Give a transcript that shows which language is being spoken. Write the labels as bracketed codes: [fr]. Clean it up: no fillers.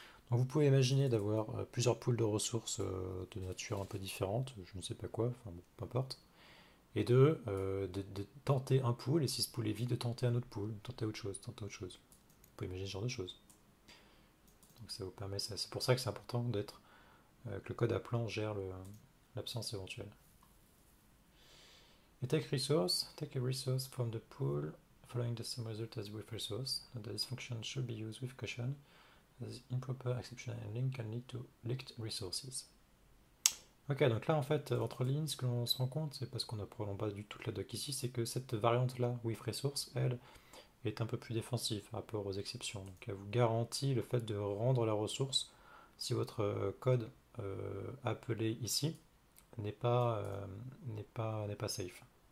[fr] Donc vous pouvez imaginer d'avoir plusieurs pools de ressources de nature un peu différente, je ne sais pas quoi, enfin bon, peu importe, et de tenter un pool, et si ce pool est vide, de tenter un autre pool, tenter autre chose, tenter autre chose. Vous pouvez imaginer ce genre de choses. Donc ça vous permet ça. C'est pour ça que c'est important d'être que le code appelant gère l'absence éventuelle. Et [en] take a resource from the pool following the same result as with resource. And this function should be used with caution. This improper exception handling can lead to leaked resources. [fr] Ok, donc là en fait, entre lignes, ce que l'on se rend compte, c'est parce qu'on n'a probablement pas du tout la doc ici, c'est que cette variante-là, with resource, elle, est un peu plus défensive par rapport aux exceptions. Donc elle vous garantit le fait de rendre la ressource si votre code appelé ici n'est pas safe.